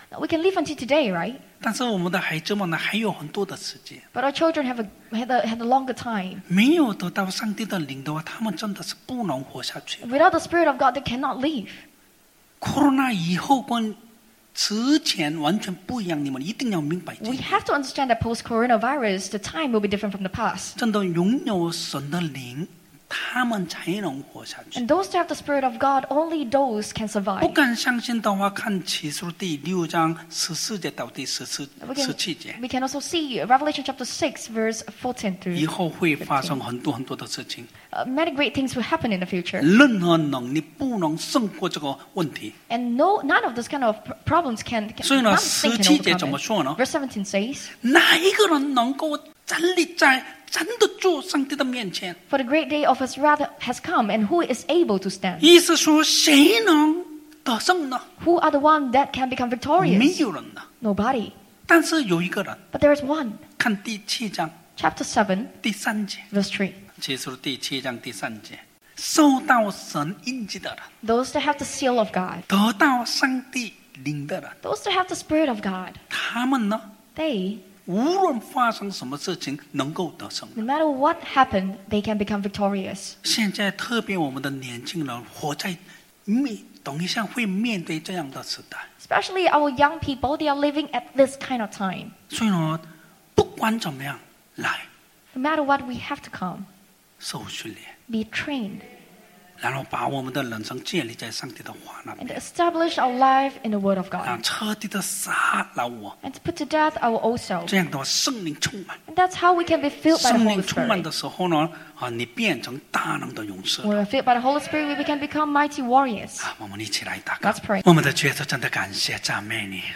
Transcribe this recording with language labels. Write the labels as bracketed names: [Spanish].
[English] We can live until today, right? [Chinese] 但是我们的孩子们呢, [English] but our children have a longer time. [Chinese] 没有得到上帝的灵的话, 他们真的是不能活下去。 [English] Without the Spirit of God, they cannot live. [Chinese] Corona 以后跟之前完全不一样, 你们一定要明白这个。 [English] We have to understand that post-coronavirus, the time will be different from the past. [Chinese] 真的拥有神的灵, 他们才能活下去。 [English] And those that have the Spirit of God, only those can survive. [Chinese] 不敢相信的话, 看启示录第六章14节到第17节。 [English] We can also see Revelation chapter 6, verse 14 through [Chinese] 以后会发生很多很多的事情。 [English] Many great things will happen in the future. [Chinese] 任何能力不能胜过这个问题。 [English] And no, none of those kind of problems can [Chinese] 所以呢, 17节怎么说呢? [English] Verse 17 says, [Chinese] 哪一个人能够站立在 真的坐上帝的面前, [English] For the great day of his wrath has come, and who is able to stand? [Chinese] 意思说谁能得胜呢? [English] Who are the ones that can become victorious? [Chinese] 没有人呢? [English] Nobody. [Chinese] 但是有一个人, [English] But there is one. [Chinese] 看第七章, [English] Chapter 7, [Chinese] 第三节, [English] verse 3. [Chinese] 启示录第七章第三节, 受到神印记的人, [English] Those that have the seal of God. [Chinese] 得到上帝灵的人, [English] Those that have the Spirit of God. [Chinese] 他们呢? [English] They. [Chinese] 无论发生什么事情能够得胜, [English] No matter what happened, they can become victorious. [Chinese] 现在特别我们的年轻人, 活在, 等一下会面对这样的时代, [English] Especially our young people, they are living at this kind of time. [Chinese] 所以呢, 不管怎么样, 来, [English] No matter what, we have to come. [Chinese] 受训练, [English] Be trained. [Chinese] 然后把我们的人生建立在上帝的话那边, [English] and establish our life in the word of God. [Chinese] 彻底地杀了我, [English] and to put to death our old self. [Chinese] 这样的话, 圣灵充满, [English] and that's how we can be filled by the Holy Spirit. [Chinese] 圣灵充满的时候呢, 啊, 你变成大能的勇士, [English] when we're filled by the Holy Spirit, we can become mighty warriors. [Chinese] 啊, 我们一起来祷告, [English] let's pray. [Chinese] 我们的主耶稣真的感谢, 赞美你。